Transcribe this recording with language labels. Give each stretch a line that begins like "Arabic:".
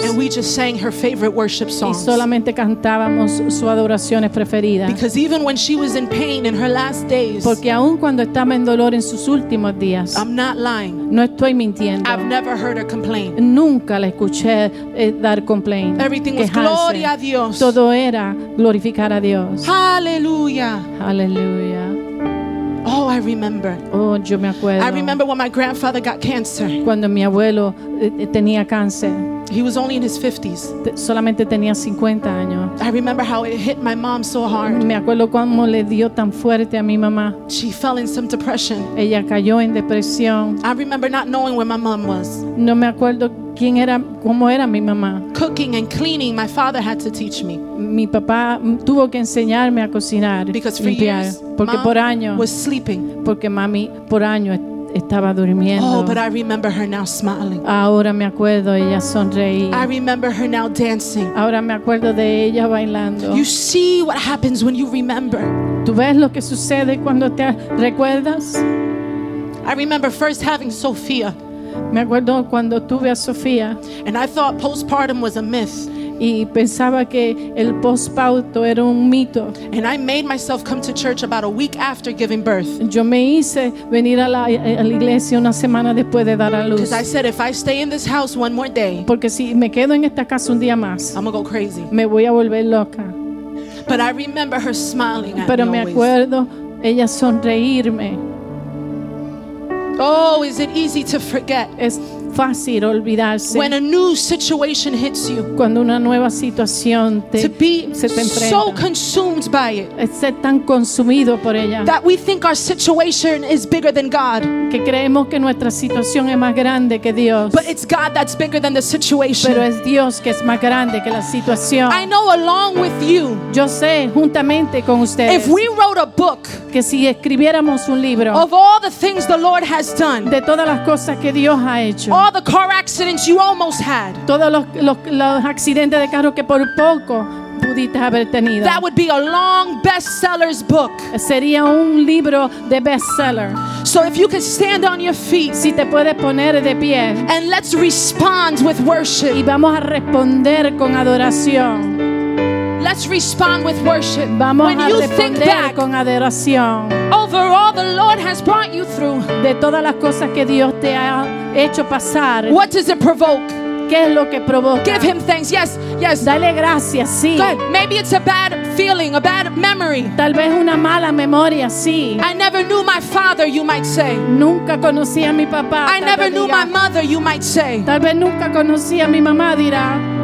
English: And we just sang her favorite worship songs.
Spanish: Y solamente cantábamos sus adoraciones preferidas.
English: Because even when she was in pain in her last days.
Spanish: Porque aún cuando estaba en dolor en sus últimos días.
English: I'm not lying.
Spanish: No estoy mintiendo.
English: I've never heard her complain.
Spanish: Nunca la escuché dar complaint.
English: Everything was glory to Dios.
Spanish: Todo era glorificar a Dios. Hallelujah. Hallelujah.
English: Oh, I remember.
Spanish: Oh, yo me acuerdo.
English: I remember when my grandfather got cancer.
Spanish: Cuando mi abuelo tenía cáncer.
English: He was only in his 50s.
Spanish: Solamente tenía 50 años.
English: I remember how it hit my mom so hard.
Spanish: Me acuerdo cómo le dio tan fuerte a mi mamá.
English: She fell in some depression.
Spanish: Ella cayó en depresión.
English: I remember not knowing where my mom was.
Spanish: No me acuerdo quién era, cómo era mi mamá.
English: Cooking and cleaning, my father had to teach me.
Spanish: Mi papá tuvo que enseñarme a cocinar.
English: Because for years,
Spanish: porque
English: mom
Spanish: por años,
English: was sleeping.
Spanish: Porque mami por años estaba durmiendo.
English: Oh, but I remember her now smiling.
Spanish: Ahora me acuerdo ella sonreía.
English: I remember her now dancing.
Spanish: Ahora me acuerdo de ella bailando.
English: You see what happens when you remember.
Spanish: ¿Tú ves lo que sucede cuando te recuerdas?
English: I remember first having Sophia.
Spanish: Me acuerdo cuando tuve a Sofía.
English: And I thought postpartum was a myth.
Spanish: Y pensaba que el postparto era un mito.
English: And I made myself come to church about a week after giving birth.
Spanish: Yo me hice venir a la iglesia una semana después de dar a luz.
English: Because I said if I stay in this house one more day.
Spanish: Porque si me quedo en esta casa un día más.
English: I'm gonna go crazy.
Spanish: Me voy a volver loca.
English: But I remember her smiling at me.
Spanish: Pero me acuerdo ella sonreírme.
English: Oh, is it easy to forget?
Spanish: Es fácil olvidarse.
English: When a new situation hits you.
Spanish: Cuando una nueva situación te enfrenta.
English: So consumed by it.
Spanish: Ser tan consumido por ella.
English: That we think our situation is bigger than God.
Spanish: Que creemos que nuestra situación es más grande que Dios.
English: But it's God that's bigger than the situation.
Spanish: Pero es Dios que es más grande que la situación.
English: I know along with you.
Spanish: Yo sé juntamente con ustedes.
English: If we wrote a book.
Spanish: Que si escribiéramos un libro.
English: Of all the things the Lord has done.
Spanish: De todas las cosas que Dios ha hecho.
English: All the car accidents you almost had.
Spanish: Todos los accidentes de carro que por poco pudiste haber tenido.
English: That would be a long bestseller's book.
Spanish: Sería un libro de bestseller.
English: So if you can stand on your feet.
Spanish: Si te puedes poner de pie.
English: And let's respond with worship.
Spanish: Y vamos a responder con adoración.
English: Let's respond with worship.
Spanish: Vamos
English: when
Spanish: a
English: you
Spanish: responder
English: think back,
Spanish: con adoración.
English: Over all the Lord has brought you through.
Spanish: De todas las cosas que Dios te ha hecho pasar.
English: What does it provoke?
Spanish: ¿Qué es lo que provoca?
English: Give him thanks. Yes, yes.
Spanish: Dale gracias, sí.
English: Go ahead. Maybe it's a bad feeling, a bad memory.
Spanish: Tal vez una mala memoria, sí.
English: I never knew my father, you might say.
Spanish: Nunca conocí a mi papá.
English: I never knew my mother, you might say.
Spanish: Tal vez nunca conocí a mi mamá, dirá.